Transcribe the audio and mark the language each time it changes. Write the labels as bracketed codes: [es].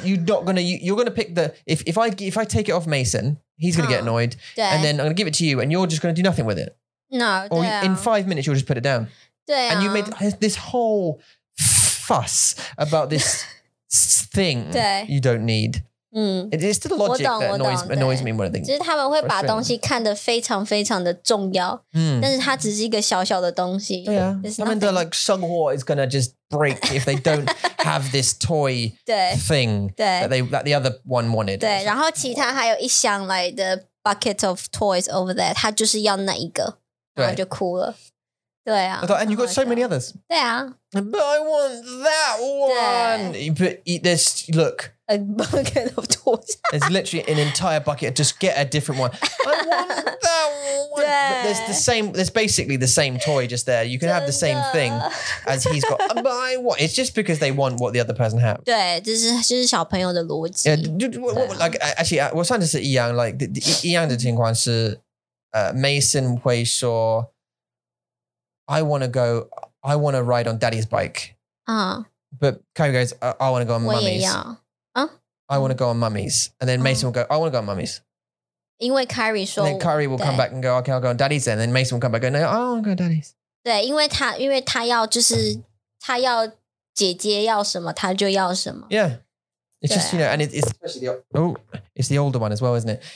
[en] You're going to pick the, if I take it off Mason, he's going to get annoyed. And then I'm going to give it to you and you're just going to do nothing with it. No, or in 5 minutes, you'll just put it down. [zh] 对啊, [en] and you made this whole fuss about this thing you don't need. It's the logic that annoys me more than [zh] things. 就是他们会把东西看得非常非常的重要，但是它只是一个小小的东西。对啊，他们的 [en] like 生活 is going to just break if they don't have this toy thing that the other one wanted. [zh] 对，然后其他还有一箱 [en] like the bucket of toys over there, [zh] 他就是要那一个，然后就哭了。对啊, [en] and you've got so many others. Yeah. But I want that one. But look, a bucket of tortas. There's literally an entire bucket. Just get a different one. I want that one. Yeah. There's the same. There's basically the same toy just there. You can have the same thing as he's got. I want. It's just because they want what the other person has. [zh] 对，这是小朋友的逻辑。Yeah, [en] like actually, [zh] 我算的是一样. [en] Like the [zh] 一样的情况是, [en] Mason [zh] 会说, [en] I want to go. I want to ride on Daddy's bike. But Kai goes, I want to go on Mummy's. I want to go on Mummy's. And then Mason will go, I want to go on Mummy's. Because Kyrie will come back and go, okay, I'll go on Daddy's then. And then Mason will come back and go, no, I want to go on Daddy's. [zh] 对，因为他要就是他要姐姐要什么，他就要什么。 [en] Yeah. It's just, you know, and it's especially the, oh, it's the older one as well, isn't it?